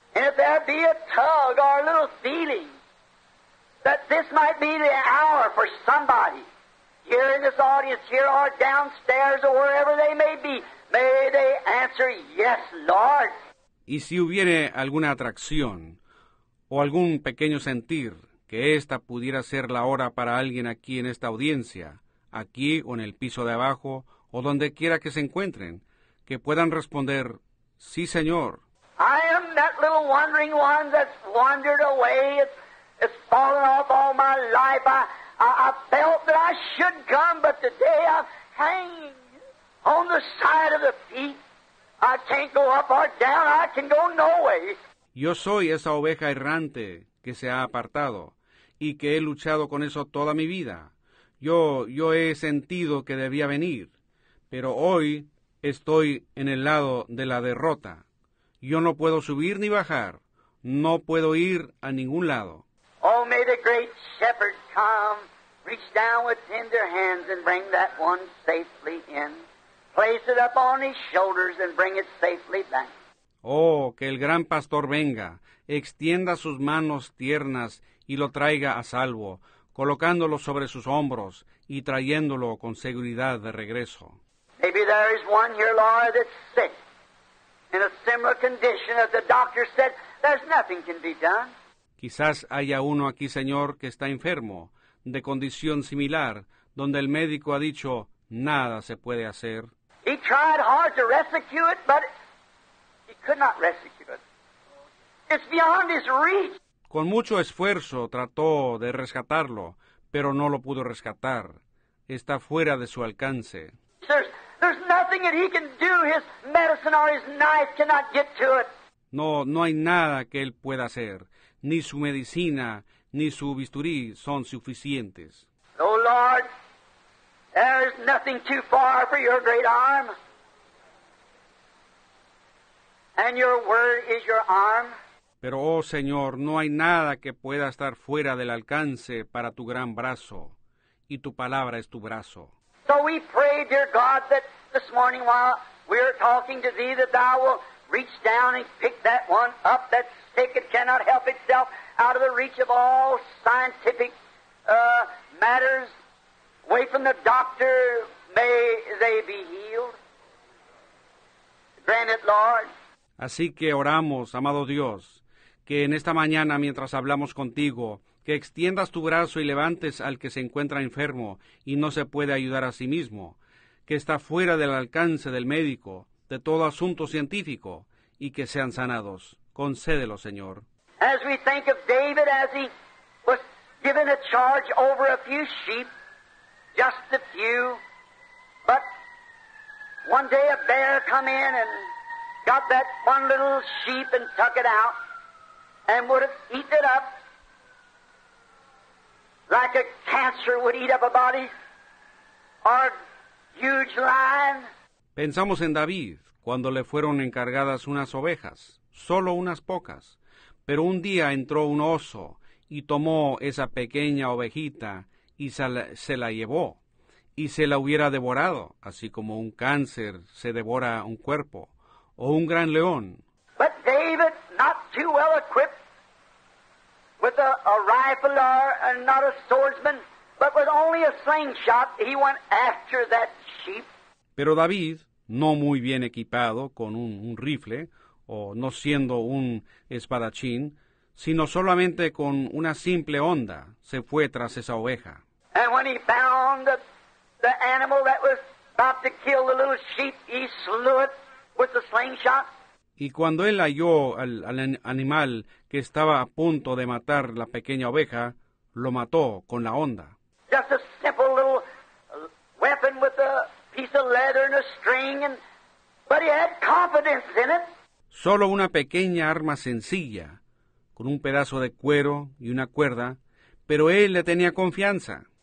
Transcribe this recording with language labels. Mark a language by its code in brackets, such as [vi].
[en] And if there be a tug or a little feeling that this might be the hour for somebody here in this audience, here or downstairs or wherever they may be, may they answer, yes, Lord. [es] Y si hubiere alguna atracción o algún pequeño sentir que esta pudiera ser la hora para alguien aquí en esta audiencia, aquí o en el piso de abajo o donde quiera que se encuentren, que puedan responder, sí, Señor. [en] I am that little wandering one that's wandered away. It's fallen off all my life. I felt that I should come, but today I'm hanging on the side of the feet. I can't go up or down. I can go nowhere. [es] Yo soy esa oveja errante que se ha apartado y que he luchado con eso toda mi vida. Yo he sentido que debía venir, pero hoy estoy en el lado de la derrota. Yo no puedo subir ni bajar. No puedo ir a ningún lado. [en] Oh, may the great shepherd come, reach down with tender hands and bring that one safely in. Place it up on his shoulders and bring it safely back. [es] Oh, que el gran pastor venga, extienda sus manos tiernas y lo traiga a salvo, colocándolo sobre sus hombros y trayéndolo con seguridad de regreso. [en] Maybe there is one here, Lord, that's sick. In a similar condition, as the doctor said, there's nothing can be done. [es] Quizás haya uno aquí, Señor, que está enfermo, de condición similar, donde el médico ha dicho, nada se puede hacer. [en] He tried hard to rescue it, but he could not rescue it. It's beyond his reach. [es] Con mucho esfuerzo trató de rescatarlo, pero no lo pudo rescatar. Está fuera de su alcance. [en] There's nothing that he can do. His medicine or his knife cannot get to it. [es] No hay nada que él pueda hacer. Ni su medicina, ni su bisturí son suficientes. [en] Oh, Lord, there's nothing too far for your great arm. And your word is your arm. [es] Pero, oh, Señor, no hay nada que pueda estar fuera del alcance para tu gran brazo. Y tu palabra es tu brazo. [en] So we pray, dear God, that this morning while we are talking to thee, that thou will reach down and pick that one up that's sick and cannot help itself out of the reach of all scientific matters, away from the doctor, may they be healed. Grant it, Lord. [es] Así que oramos, amado Dios, que en esta mañana, mientras hablamos contigo, que extiendas tu brazo y levantes al que se encuentra enfermo y no se puede ayudar a sí mismo, que está fuera del alcance del médico, de todo asunto científico, y que sean sanados. Concédelo, Señor. [en] As we think of David, as he was given a charge over a few sheep, just a few, but one day a bear come in and got that one little sheep and took it out and would have eaten it up. Like a cancer would eat up a body, or a huge lion. [es] Pensamos en David, cuando le fueron encargadas unas ovejas, solo unas pocas. Pero un día entró un oso y tomó esa pequeña ovejita y se la llevó, y se la hubiera devorado, así como un cáncer se devora un cuerpo, o un gran león. [en] But David, not too well equipped, with a rifle or not a swordsman, but with only a slingshot, he went after that sheep. [es] Pero David, no muy bien equipado con un rifle, o no siendo un espadachín, sino solamente con una simple honda, se fue tras esa oveja. [en] And when he found the animal that was about to kill the little sheep, he slew it with the slingshot. [es] Y cuando él halló al animal que estaba a punto de matar la pequeña oveja, lo mató con la honda. [en] Just a simple little weapon with a piece of leather and a string, but he had confidence in it. [es] Solo una pequeña arma sencilla, con un pedazo de cuero y una cuerda, pero él le tenía confianza.